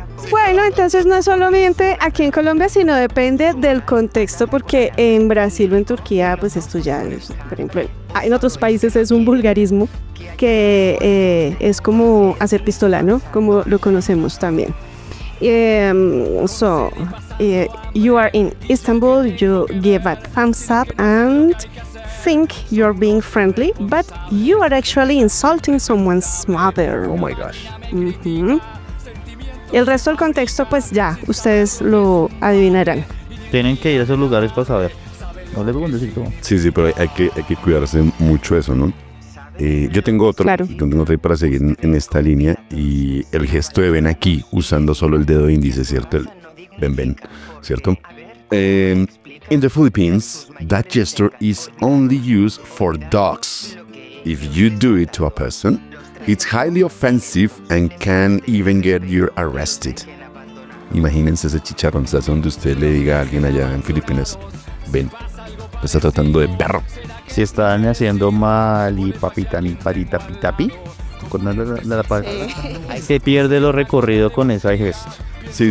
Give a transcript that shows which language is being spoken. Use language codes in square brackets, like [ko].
[es] Bueno, entonces no solamente aquí en Colombia, sino depende del contexto, porque en Brasil o en Turquía, pues esto ya, por ejemplo, en otros países es un vulgarismo que es como hacer pistola, ¿no? Como lo conocemos también. [en] You are in Istanbul, you give a thumbs up and think you're being friendly, but you are actually insulting someone's mother. Oh my gosh. Mm-hmm. [es] El resto del contexto, pues ya, ustedes lo adivinarán. Tienen que ir a esos lugares para saber. No les puedo decir cómo. Sí, sí, pero hay que cuidarse mucho eso, ¿no? Yo tengo otro. Claro. Yo tengo otro para seguir en esta línea. Y el gesto de ven aquí, usando solo el dedo índice, ¿cierto? Ven, ¿cierto? [en] In the Philippines, that gesture is only used for dogs. If you do it to a person, it's highly offensive and can even get you arrested. [es] Imagínense ese chicharronzazo donde usted le diga a alguien allá en Filipinas, ven, me está tratando de perro. Si están haciendo mal y papita ni parita pitapi, con la palabra, se pierde lo recorrido con esa gesto. Sí.